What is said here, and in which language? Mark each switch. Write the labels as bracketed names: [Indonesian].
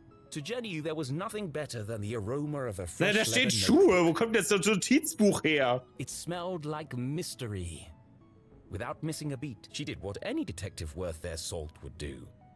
[English] To Jenny, there was nothing better than the aroma of a [German] fresh. Na, da steht Schuhe. Wo kommt jetzt das Notizbuch her? [English] It smelled like mystery. Without missing a beat, she did what any detective worth their salt would do.